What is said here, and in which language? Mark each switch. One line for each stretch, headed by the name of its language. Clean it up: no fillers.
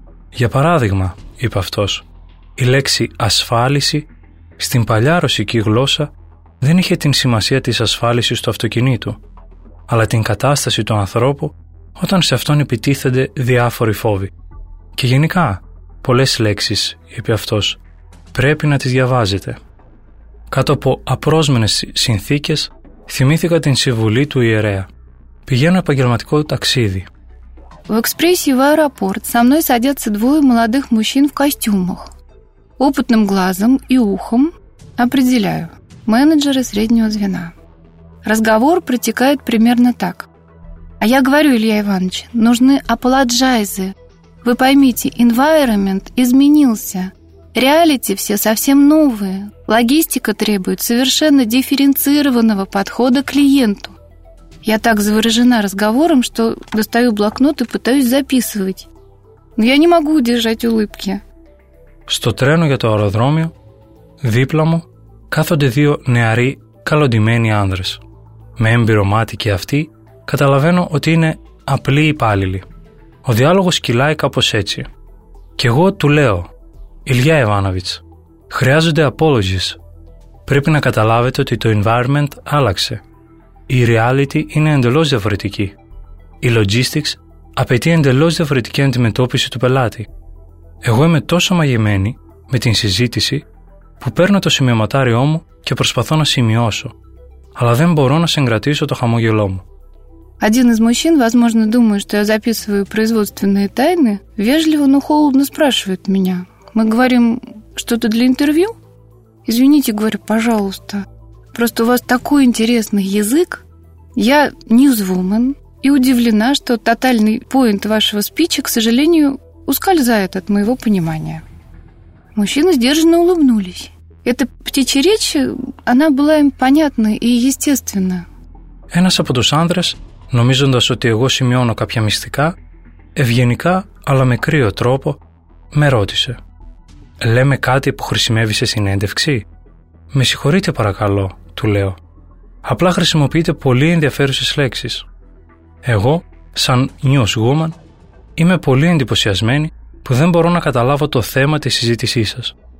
Greek: Για παράδειγμα, είπε αυτός, η λέξη ασφάλιση στην παλιά ρωσική γλώσσα δεν είχε την σημασία της ασφάλισης του αυτοκινήτου, αλλά την κατάσταση του ανθρώπου όταν σε αυτόν επιτίθενται διάφοροι φόβοι. Και γενικά, πολλές λέξεις, είπε αυτός, πρέπει να τις διαβάζετε. Κάτω από απρόσμενες συνθήκες, θυμήθηκα την συμβουλή του ιερέα. Πηγαίνω επαγγελματικό ταξίδι.
Russian: В экспрессе в аэропорт со мной садятся двое молодых мужчин в костюмах. Опытным глазом и ухом определяю. Менеджеры среднего звена. Разговор протекает примерно так. А я говорю, Илья Иванович, нужны апологайзы. Вы поймите, environment изменился. Реалити все совсем новые. Логистика требует совершенно дифференцированного подхода к клиенту. Я так заворожена разговором, что достаю блокнот и пытаюсь записывать. Но я не могу удержать улыбки.
Greek: Στο τρένο για το αεροδρόμιο, δίπλα μου, κάθονται δύο νεαροί, καλοντυμένοι άνδρες. Με έμπειρο μάτι και αυτοί, καταλαβαίνω ότι είναι απλοί υπάλληλοι. Ο διάλογος κυλάει κάπως έτσι. Και εγώ του λέω, Ηλιά Ιβάνοβιτς, χρειάζονται apologies. Πρέπει να καταλάβετε ότι το environment άλλαξε. Η reality είναι εντελώς διαφορετική. Η logistics απαιτεί εντελώς διαφορετική αντιμετώπιση του πελάτη. Εγώ είμαι τόσο μαγεμένη με την συζήτηση που παίρνω το σημειωματάριό μου και προσπαθώ να σημειώσω. Αλλά δεν μπορώ να συγκρατήσω το χαμόγελό μου.
Russian: Один из мужчин, возможно, думает, что я записываю производственные тайны, вежливо, но холодно спрашивает меня. Мы говорим что-то для интервью? Извините, говорю, пожалуйста. Просто у вас такой интересный язык. Я newswoman и удивлена, что тотальный поинт вашего спича, к сожалению, ускользает от моего понимания. Мужчины сдержанно улыбнулись. Эта птичья речь, она была им понятна и естественна.
Greek: Ένας από τους άνδρες, νομίζοντας ότι εγώ σημειώνω κάποια μυστικά, ευγενικά αλλά με κρύο τρόπο, με ρώτησε. Λέμε κάτι που χρησιμεύει σε συνέντευξη? Με συγχωρείτε παρακαλώ, του λέω. Απλά χρησιμοποιείτε πολύ ενδιαφέρουσες λέξεις. Εγώ, σαν newswoman, είμαι πολύ εντυπωσιασμένη που δεν μπορώ να καταλάβω το θέμα της συζήτησής σας.